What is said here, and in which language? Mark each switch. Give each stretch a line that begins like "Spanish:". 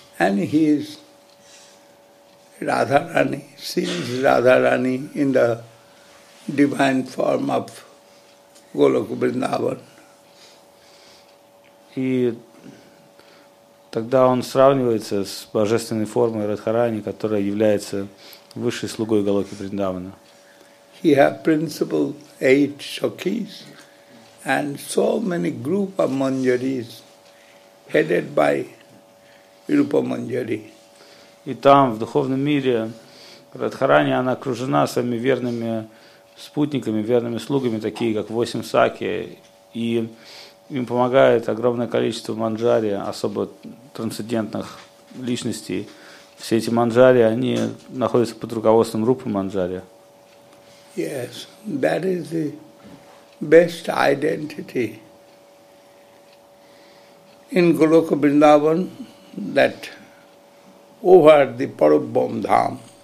English: And he is Radharani, sees Radharani in the divine form of Goloka Vrindavan.
Russian: И тогда он сравнивается с божественной формой Радхарани, которая является высшей слугой Голоки Вриндавана.
English: He has principal 8 Sakhis and so many group of Manjaris headed by Rupa Manjari.
Russian: И там, в духовном мире, Радхарани, она окружена своими верными спутниками, верными слугами, такие как 8 Сакхи, и им помогает огромное количество манджари, особо трансцендентных личностей. Все эти манджари, они находятся под руководством Рупы Манджари.
English: Yes, that is the best identity in Goloka Vrindavan that over the Parabrahma Dham.